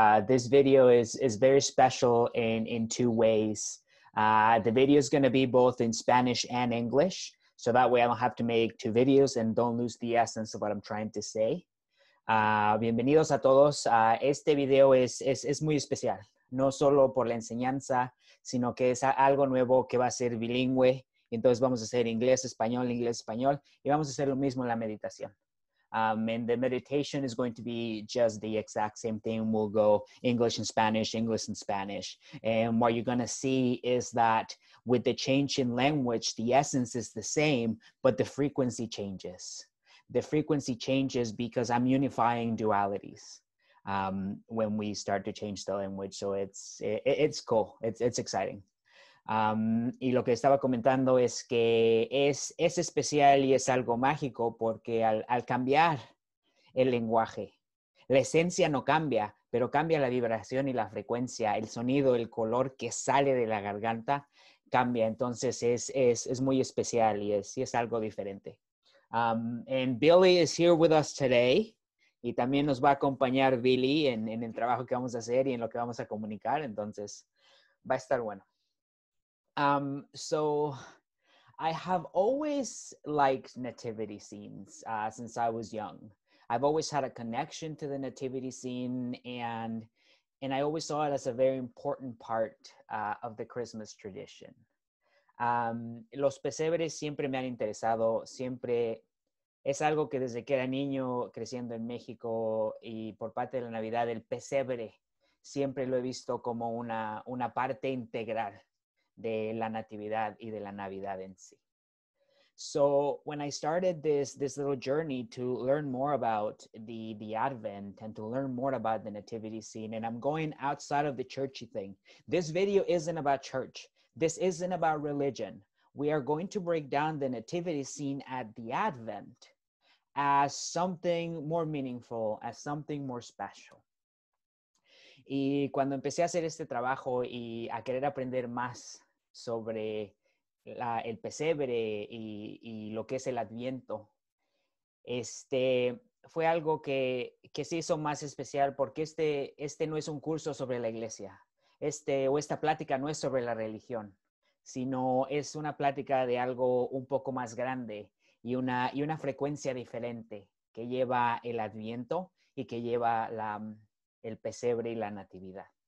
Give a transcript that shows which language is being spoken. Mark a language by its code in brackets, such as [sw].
[en] This video is very special in two ways. The video is going to be both in Spanish and English, so that way I don't have to make two videos and don't lose the essence of what I'm trying to say. [es] Bienvenidos a todos. Este video es muy especial, no solo por la enseñanza, sino que es algo nuevo que va a ser bilingüe. Entonces vamos a hacer inglés, español, y vamos a hacer lo mismo en la meditación. [en] And the meditation is going to be just the exact same thing. We'll go English and Spanish. And what you're going to see is that with the change in language, the essence is the same, but the frequency changes. The frequency changes because I'm unifying dualities when we start to change the language. So it's cool. It's exciting. [es] Y lo que estaba comentando es que es especial y es algo mágico porque al cambiar el lenguaje, la esencia no cambia, pero cambia la vibración y la frecuencia, el sonido, el color que sale de la garganta cambia. Entonces es muy especial y es algo diferente. [en] And Billy is here with us today. [es] Y también nos va a acompañar Billy en el trabajo que vamos a hacer y en lo que vamos a comunicar. Entonces va a estar bueno. [en] So I have always liked nativity scenes since I was young. I've always had a connection to the nativity scene, and I always saw it as a very important part of the Christmas tradition. [es] Los pesebres siempre me han interesado, siempre es algo que desde que era niño creciendo en México y por parte de la Navidad, el pesebre siempre lo he visto como una parte integral de la natividad y de la Navidad en sí. [en] So when I started this little journey to learn more about the Advent and to learn more about the nativity scene, and I'm going outside of the churchy thing. This video isn't about church. This isn't about religion. We are going to break down the nativity scene at the Advent as something more meaningful, as something more special. [es] Y cuando empecé a hacer este trabajo y a querer aprender más sobre el pesebre y lo que es el Adviento, fue algo que se hizo más especial porque este no es un curso sobre la iglesia, o esta plática no es sobre la religión, sino es una plática de algo un poco más grande y una frecuencia diferente que lleva el Adviento y que lleva el pesebre y la natividad.